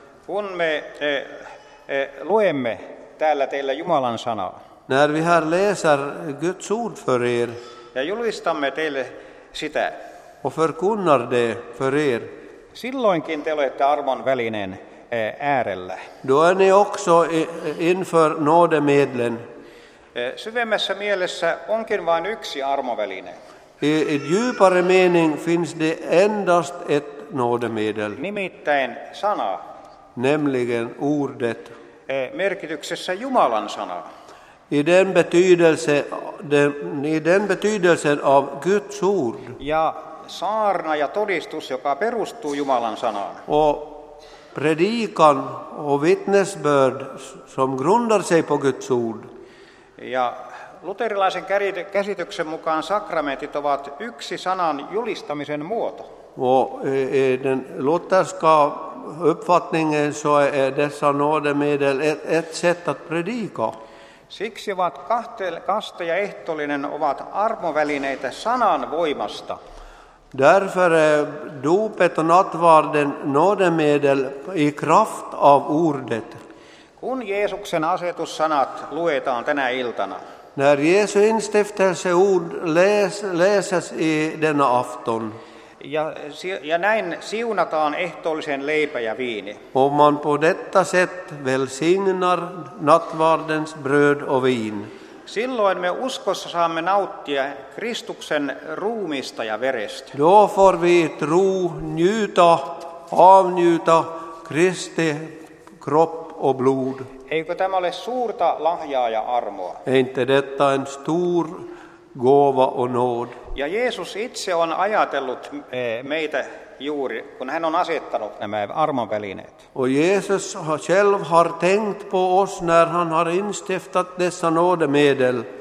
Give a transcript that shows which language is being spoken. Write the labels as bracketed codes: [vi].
[fi] Kun me luemme täällä teillä Jumalan sanaa. [sv] När vi här läser Guds ord för er. [fi] Ja julistamme teille sitä. [sv] Och förkunnar det för er. [fi] Silloinkin te olette armon välineen äärellä. [sv] Då är ni också inför nådemedlen. [fi] Syvemmässä mielessä onkin vain yksi armoväline. [sv] I djupare mening finns det endast ett nådemedel. [fi] Nimittäin sana. [sv] Nämligen ordet. [fi] Merkityksessä Jumalan sana. [sv] I den betydelse, i den betydelsen av Guds ord. [fi] Ja saarna ja todistus, joka perustuu Jumalan sanaan. [sv] Och predikan och vittnesbörd som grundar sig på Guds ord. [fi] Ja luterilaisen käsityksen mukaan sakramentit ovat yksi sanan julistamisen muoto. [sv] Och den lutherska uppfattningen så är dessa nådemedel ett sätt att predika. [fi] Siksi ovat kaste ja ehtolinen ovat armovälineitä sanan voimasta. [sv] Därför är dopet och nattvarden nådemedel i kraft av ordet. [fi] Kun Jeesuksen asetussanat luetaan tänä iltana. [sv] När Jesu instiftelseord läses i denna afton. [fi] Ja näin siunataan ehtoollisen leipä ja viini. [sv] Om man på detta sätt välsignar nattvardens bröd och vin. [fi] Silloin me uskossa saamme nauttia Kristuksen ruumista ja verestä. [sv] Då får vi tro njuta, avnjuta Kristi kropp och blod. [fi] Eikö tämä ole suurta lahjaa ja armoa? [sv] Inte detta en stor gåva och nåd? [fi] Ja Jeesus itse on ajatellut meitä juuri, kun hän on asettanut nämä armonvälineet. [sv] Och Jesus själv har tänkt på oss när han har instiftat dessa nådemedel.